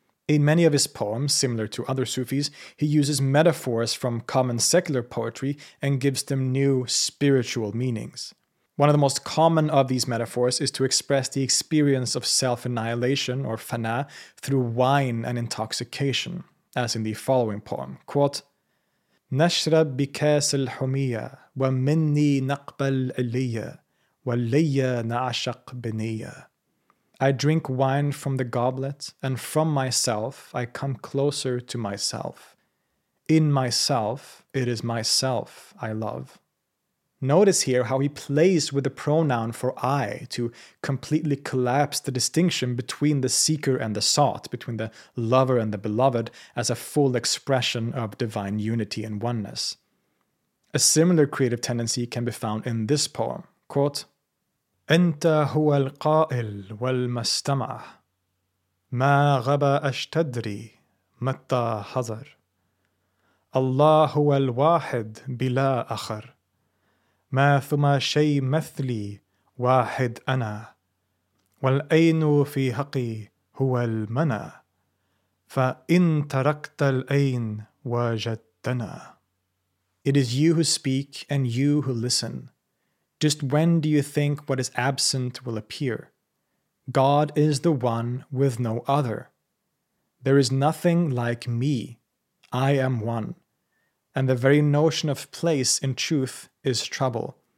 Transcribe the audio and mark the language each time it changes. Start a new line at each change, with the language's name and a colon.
English: In many of his poems, similar to other Sufis, he uses metaphors from common secular poetry and gives them new spiritual meanings. One of the most common of these metaphors is to express the experience of self-annihilation, or fana, through wine and intoxication, as in the following poem.
Arabic: Quote, نشرب بكاس الحمية ومني نقبل إليا وليا نعشق بنية.
English: I drink wine from the goblet, and from myself I come closer to myself. In myself, it is myself I love. Notice here how he plays with the pronoun for I to completely collapse the distinction between the seeker and the sought, between the lover and the beloved, as a full expression of divine unity and oneness. A similar creative tendency can be found in this poem.
Arabic: Quote, أنت هو القائل والمستمع ما غبا أشتدري متى حضر الله هو الواحد بلا أخر ما ثم شيء مثلي واحد أنا والأين في حقي هو المنى فإن تركت الأين وجدتنا.
English: It is you who speak and you who listen. Just when do you think what is absent will appear? God is the one with no other. There is nothing like me. I am one. And the very notion of place in truth is trouble.